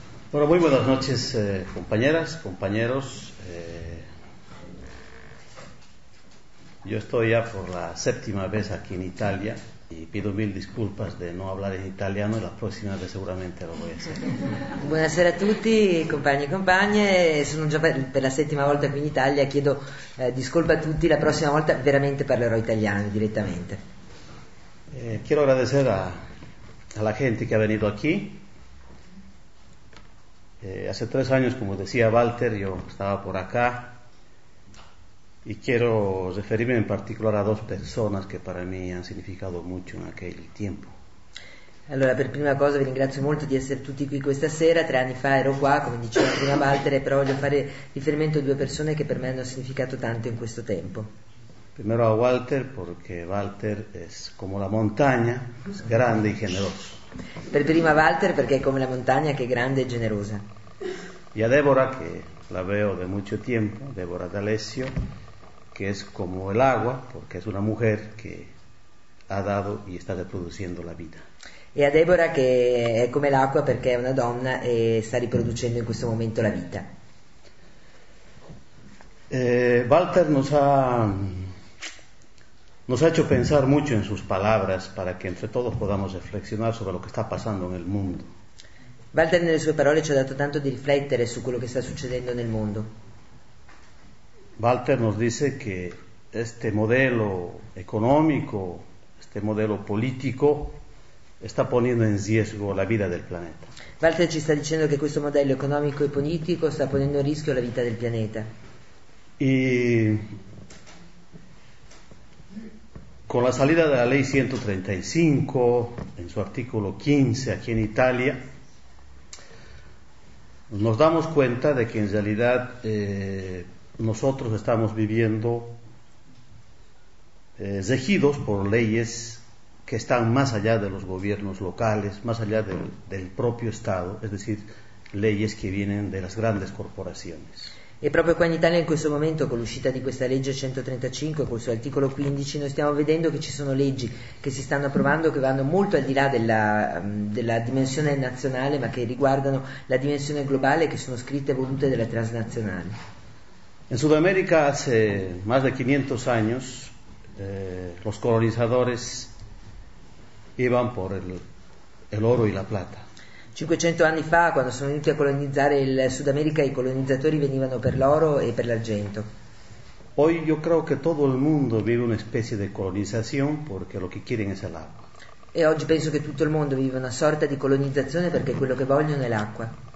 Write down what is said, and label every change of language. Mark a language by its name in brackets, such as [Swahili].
[Spanish] Bueno, muy buenas noches, compañeras, compañeros. Yo estoy ya por la séptima vez aquí en Italia y pido mil disculpas de no hablar en italiano y la próxima vez seguramente lo voy a hacer. [Italian] Buonasera a tutti, compagni e compagne. Sono già per la settima volta qui in Italia. Chiedo disculpa a tutti. La prossima volta veramente parlerò italiano direttamente. [Spanish] Quiero agradecer a la gente que ha venido aquí. Hace tres años, como decía Walter, yo estaba por acá y quiero referirme en particular a dos personas que para mí han significado mucho en aquel tiempo. [Italian] Allora, per prima cosa vi ringrazio molto di essere tutti qui questa sera. Tre anni fa ero qua, come diceva prima Walter, però voglio fare riferimento a due persone che per me hanno significato tanto in questo tempo. [Spanish] Primero a Walter, porque Walter es como la montaña, grande y generoso. [Italian] Per prima Walter, perché è come la montagna che è grande e generosa. [Spanish] Y a Débora, que la veo de mucho tiempo, Débora D'Alessio, que es como el agua, porque es una mujer que ha dado y está reproduciendo la vida. [Italian] E a Débora, que è come l'acqua, perché è una donna e sta riproducendo in questo momento la vita. [Spanish] Walter nos ha hecho pensar mucho en sus palabras para que entre todos podamos reflexionar sobre lo que está pasando en el mundo. [Italian] Walter, nelle sue parole ci ha dato tanto di riflettere su quello che sta succedendo nel mondo. [Spanish] Walter nos dice que este modelo económico, este modelo político, está poniendo en riesgo la vida del planeta. [Italian] Walter ci sta dicendo che questo modello economico e politico sta ponendo a rischio la vita del pianeta. [Spanish] Y con la salida de la ley 135, en su artículo 15 aquí en Italia, nos damos cuenta de que en realidad nosotros estamos viviendo regidos por leyes que están más allá de los gobiernos locales, más allá del propio Estado, es decir, leyes que vienen de las grandes corporaciones. [Italian] E proprio qua in Italia, in questo momento, con l'uscita di questa legge 135, col suo articolo 15, noi stiamo vedendo che ci sono leggi che si stanno approvando, che vanno molto al di là della dimensione nazionale, ma che riguardano la dimensione globale, che sono scritte e volute dalle transnazionali. [Spanish] In Sud America, hace más de 500 años, los colonizadores iban por el oro y la plata. [Italian] 500 anni fa, quando sono venuti a colonizzare il Sud America, i colonizzatori venivano per l'oro e per l'argento. Poi io credo che tutto il mondo vive una specie di colonizzazione perché [Spanish] lo che quieren es el agua. [Italian] E oggi penso che tutto il mondo vive una sorta di colonizzazione perché quello che vogliono è l'acqua.